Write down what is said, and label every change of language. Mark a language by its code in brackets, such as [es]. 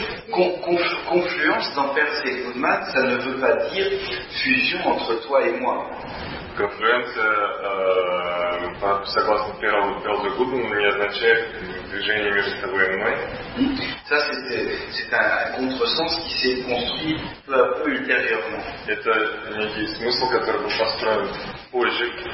[fr] Confluence dans Peirce et Goodman, ça ne veut pas dire fusion entre toi et moi. [ru] Конфлюенция, согласно первому Пелзу Гудману, не означает движение между тобой и мной. [fr] Ça, c'est un contresens qui s'est construit peu à peu ultérieurement. [ru] Это некий смысл, который был построен позже.